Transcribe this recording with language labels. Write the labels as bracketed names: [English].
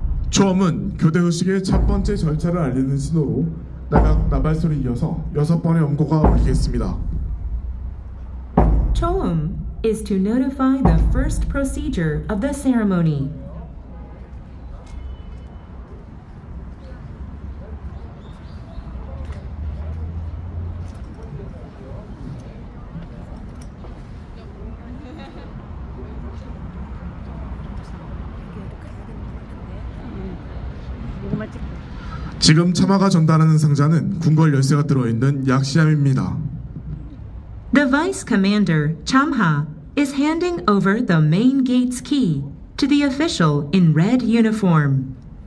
[Korean] 초음은 교대 의식의 첫 번째 절차를 알리는 신호로 나발소리 이어서 여섯 번의 엄고가 울리겠습니다. [English] 초음 is to notify the first procedure of the ceremony. [Korean] 지금 참화가 전달하는 상자는 궁궐 열쇠가 들어있는 약시함입니다. [English] The vice commander, Chamha, is handing over the main gate's key to the official in red uniform.